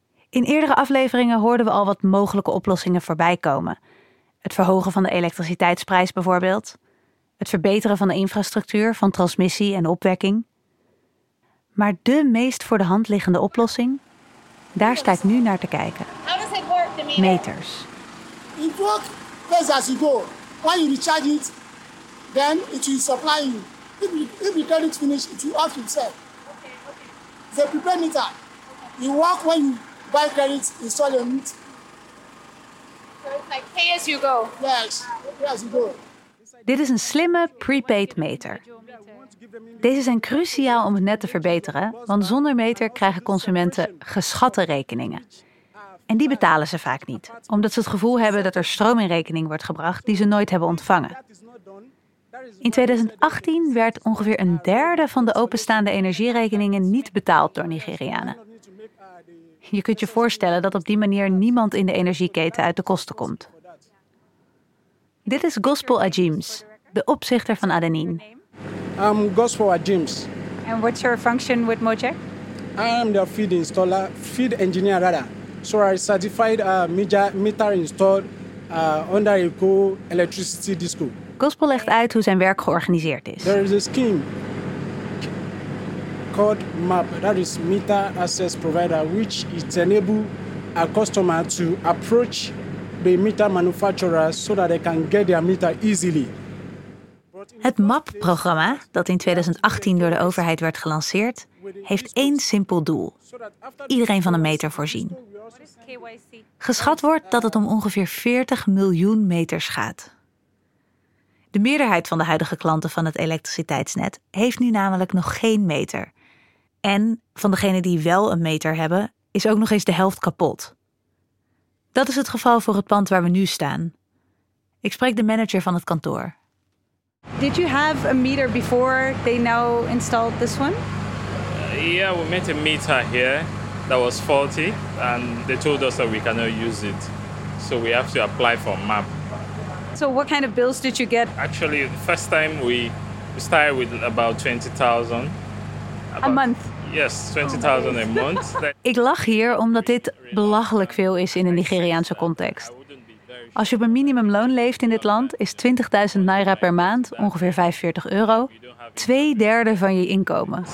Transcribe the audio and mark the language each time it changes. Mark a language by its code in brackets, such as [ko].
[nl] In eerdere afleveringen hoorden we al wat mogelijke oplossingen voorbij komen. Het verhogen van de elektriciteitsprijs bijvoorbeeld. Het verbeteren van de infrastructuur, van transmissie en opwekking. Maar de meest voor de hand liggende oplossing, daar sta ik nu naar te kijken. [en] How does it work, the meters. It works just as you go. When you recharge it, then it will supply you. If you tell it finish, it will off itself. Okay. The prepared meter. You work when you buy credit, install your meter. So it's like pay as you go. Yes, pay as you go. [nl] Dit is een slimme prepaid meter. Deze zijn cruciaal om het net te verbeteren, want zonder meter krijgen consumenten geschatte rekeningen. En die betalen ze vaak niet, omdat ze het gevoel hebben dat er stroom in rekening wordt gebracht die ze nooit hebben ontvangen. In 2018 werd ongeveer een derde van de openstaande energierekeningen niet betaald door Nigerianen. Je kunt je voorstellen dat op die manier niemand in de energieketen uit de kosten komt. Dit is Gospel Ajims, de opzichter van Adenine. [en] I'm Gospel Ajims. And what's your function with Mojack? I'm the feed installer, feed engineer rather. So I certified meter installed under a co-electricity disco. [nl] Gospel legt uit hoe zijn werk georganiseerd is. [en] There is a scheme. called MAP, that is Meter Access Provider, which it enable a customer to approach the meter manufacturer so that they can get their meter easily. [nl] Het MAP-programma, dat in 2018 door de overheid werd gelanceerd, heeft één simpel doel. Iedereen van een meter voorzien. Geschat wordt dat het om ongeveer 40 miljoen meters gaat. De meerderheid van de huidige klanten van het elektriciteitsnet heeft nu namelijk nog geen meter. En van degenen die wel een meter hebben, is ook nog eens de helft kapot. Dat is het geval voor het pand waar we nu staan. Ik spreek de manager van het kantoor. [en] Did you have a meter before they now installed this one? Yeah, we made a meter here that was faulty and they told us that we cannot use it. So we have to apply for MAP. So what kind of bills did you get? Actually, the first time we started with about 20,000. A month? Yes, 20,000 a month. [nl] Ik lach hier omdat dit belachelijk veel is in een Nigeriaanse context. Als je op een minimumloon leeft in dit land, is 20.000 naira per maand, ongeveer 45 euro, 2/3 van je inkomen.